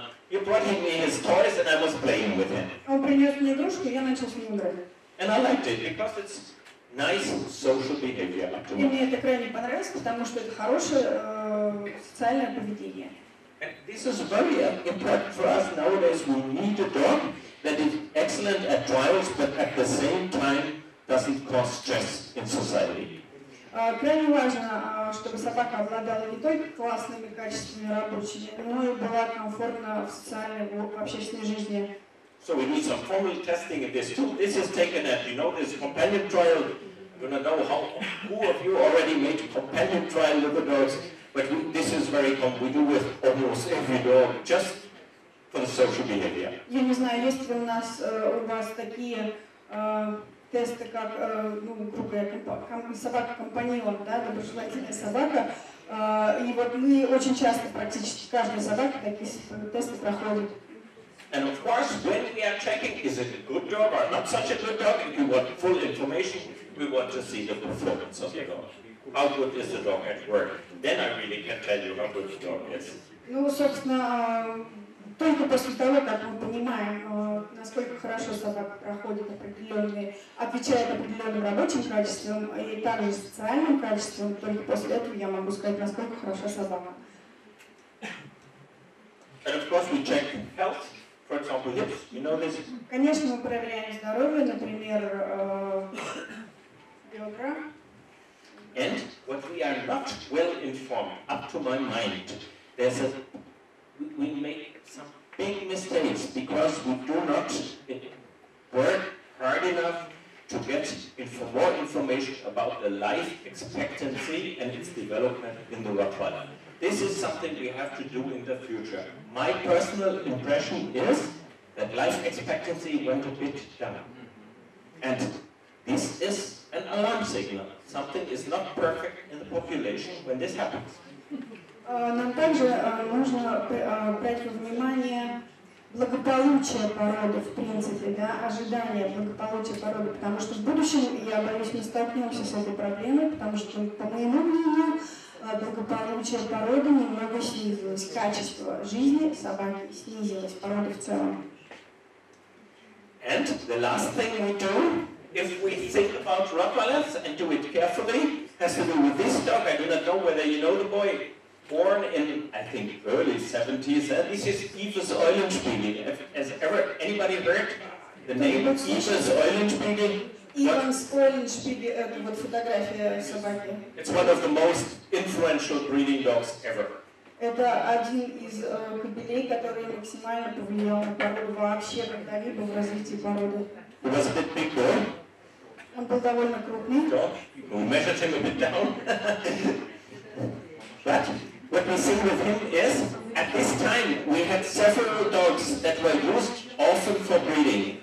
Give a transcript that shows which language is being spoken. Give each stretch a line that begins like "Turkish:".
English: You brought me his toys and I was playing with him.
Russian: Он принес мне игрушки, я начал с ним играть.
English: And I liked it because it's nice social behavior.
Russian: И мне это крайне понравилось, потому что это хорошее социальное поведение.
English: And this is very important for us nowadays. We need a dog that is excellent at trials, but at the same time doesn't cause stress in society.
Russian: Крайне важно, чтобы собака обладала не только классными качествами рабочими, но и была комфортна в социальной, в общественной жизни.
English: So we need some formal testing of this too. This is taken at, you know, this companion trial. I don't know how, who of you already made a companion trial with the dogs. But we, this is very common. We do with almost every dog, just for the social behavior.
Russian: Я не знаю, есть ли у нас у вас такие тесты, как ну грубая собака компаньон, да, доброжелательная собака. И вот мы очень часто, практически каждая собака такие тесты проходит.
English: And of course, when we are checking, is it a good dog or not such a good dog? If we want full information, we want to see the performance of the dog. How good is the dog at work? Then I really can tell you how good the dog is.
Russian: Ну, собственно, только после того, как мы понимаем, насколько хорошо собака проходит определенные, отвечает определенным рабочим качествам и также социальным качествам, только после этого я могу сказать, насколько хороша собака.
English: And of course, we check health, for example, hips. You know this?
Russian: Конечно, мы проверяем здоровье, например, бедра.
English: And what we are not well informed, up to my mind, there's a we make some big mistakes because we do not work hard enough to get more information about the life expectancy and its development in the Rottweiler. This is something we have to do in the future. My personal impression is that life expectancy went a bit down. And this is an alarm signal. Something is not perfect in the population when this happens.
Russian: Нам также нужно брать во внимание благополучие породы, в принципе, да, ожидание благополучия породы, потому что в будущем, я боюсь, не столкнемся с этой проблемой, потому что, по моему мнению, благополучие породы немного снизилось, качество жизни собаки снизилось, породы в целом.
English: And the last thing we do, if we think about Rottweilers and do it carefully, has to do with this dog. I do not know whether you know the boy. Born in, I think, early 70s, and this is Eva's Eulenspiegel. Has ever anybody heard the name of Eva's Eulenspiegel?
Russian: Eva's Eulenspiegel, это вот фотография собаки.
English: It's one of the most influential breeding dogs ever.
Russian: Это один из кобелей, который максимально повлиял на породу вообще когда-либо в развитии породы.
English: He was a bit big boy.
Russian: Он был довольно крупный.
English: Dog. We measured him a bit down. But what we see with him is, at this time, we had several dogs that were used often for breeding.